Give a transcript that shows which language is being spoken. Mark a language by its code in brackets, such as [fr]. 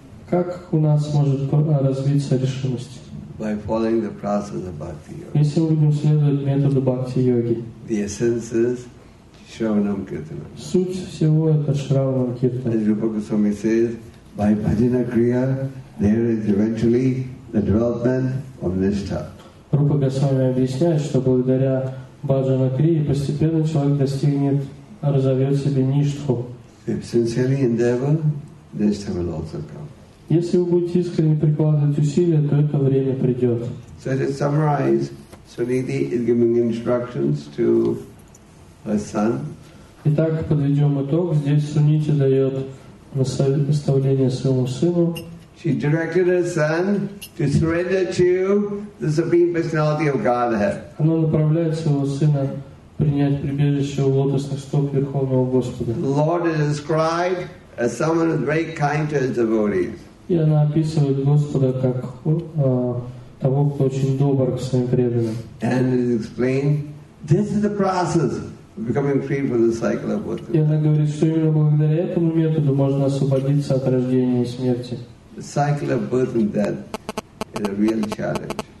[ru] Как у нас может развиться решимость? [en] By following the process of bhakti yoga. [ru] Если мы будем следовать методу бхакти йоги. [en] The essence is shravanam kirtana. [ru] Суть всего это шравана киртана. [en] As Rupa Goswami says, by bhajana kriya, there is eventually the development of nishtha. [ru] Рупа Госвами объясняет, что благодаря бхаджана крии постепенно человек достигнет, разовьет себе ништху. [en] If sincerely endeavor, nishtha will also come. [ru] Если вы будете искренне прикладывать усилия, то это время придет. [en] So to summarize, Suniti is giving instructions to her son. [ru] Итак, подведем итог. Здесь Сунити дает наставление своему сыну. [en] She directed her son to surrender to the Supreme Personality of Godhead. [ru] Она направляет своего сына принять прибежище у лотосных стоп Верховного Господа. [en] The Lord is described as someone who is very kind to his devotees. [ru] И она описывает Господа как того, кто очень добр к своим преданным. [en] And it explained, this is the process of becoming free from the cycle of birth. [ru] И она говорит, что именно благодаря этому методу можно освободиться от рождения и смерти. [en] The cycle of birth and death is a real challenge.